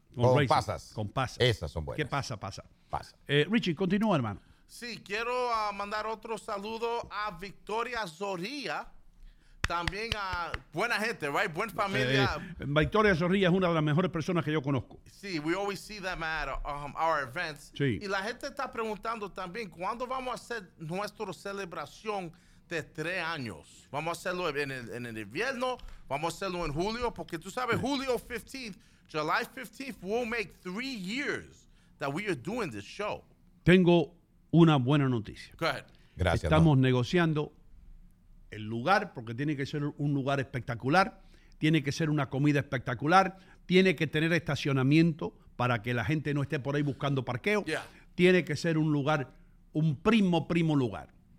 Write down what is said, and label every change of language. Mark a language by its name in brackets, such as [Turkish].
[Spanish] Con pasas. Esas son buenas. ¿Qué pasa? Pasa. Pasa. Richie, continúa, hermano. Sí, quiero mandar otro saludo a Victoria Zoría. también a buena gente, right? Buena familia. Victoria Zorrilla es una de las mejores personas que yo conozco. [English] Sí, we always see them at our events. [Spanish] Sí. Y la gente está preguntando también, ¿cuándo vamos a hacer nuestra celebración de 3 años? ¿Vamos a hacerlo en el invierno? ¿Vamos a hacerlo en julio? Porque tú sabes, julio [English] 15th, July 15th, we'll make 3 years that we are doing this show. [Spanish] Tengo una buena noticia. [English] Go ahead. [Spanish] Gracias. Estamos negociando el lugar, porque tiene que ser un lugar espectacular, tiene que ser una comida espectacular, tiene que tener estacionamiento para que la gente no esté por ahí buscando parqueo. [English] Yeah. [Spanish] Tiene que ser un lugar, un primo lugar.